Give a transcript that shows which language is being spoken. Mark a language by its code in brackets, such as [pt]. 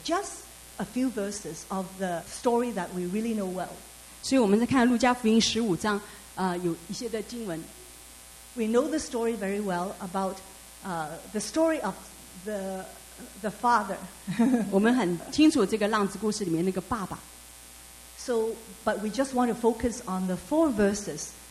[en] Just a few verses of the story that we really know well. [zh] 所以我们在看路加福音15章, 有一些的经文。 [en] We know the story very well about the story of the father. [zh] 我们很清楚这个浪子故事里面那个爸爸。 [en] So, but we just want to focus on the four verses.